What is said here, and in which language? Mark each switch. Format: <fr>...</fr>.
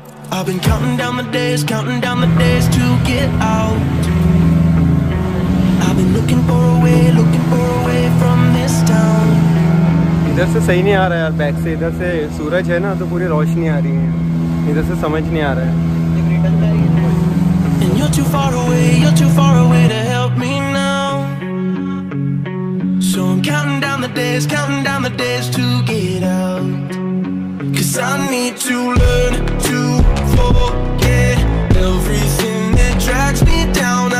<en>I've been counting down the days, counting down the days to get out. I've been looking for a way from this town.</en> <hi>इधर से सही नहीं आ रहा यार back से, इधर से सूरज है ना तो पूरी रोशनी आ रही है, इधर से समझ नहीं आ रहा है।</hi> <en>You're too far away to help me now. So I'm counting down the days to get out. 'Cause I need to learn to forget everything that drags me down.</en>